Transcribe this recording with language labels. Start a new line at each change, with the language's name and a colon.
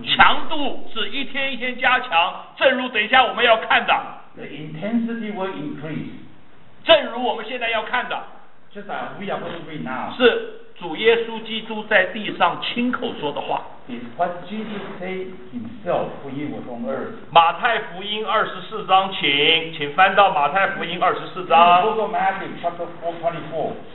Chinese: 强度是一天一天加强，正如等一下我们要看的。
English: The intensity will increase，
Chinese: 正如我们现在要看的。
English: Just as we are going to read now，
Chinese: 是主耶稣基督在地上亲口说的话。
English: Is what Jesus said himself when he was on earth.
Chinese: 马太福音二十四章，请翻到马太福音二十四章。
English: Book of Matthew, chapter 4:24.